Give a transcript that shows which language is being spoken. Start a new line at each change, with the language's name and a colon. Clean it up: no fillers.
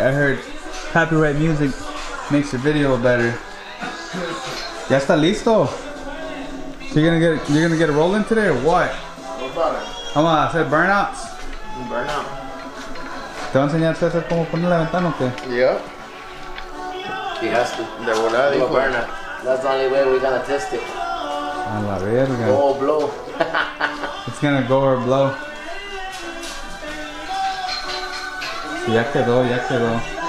English: I heard copyright music makes your video better.
Spanish: Ya está listo.
English: So you're gonna get it rolling today or what? What about it? Come on, I said burnouts. Burnout.
Spanish: ¿Te va a enseñar César cómo poner la ventana o qué?
English: Yeah. He has to.
Spanish: De volada, dijo.
English: That's the only way we're gonna test it.
Spanish: A la verga.
English: Go or blow. It's gonna go or blow.
Spanish: Sí, ya quedó, ya quedó.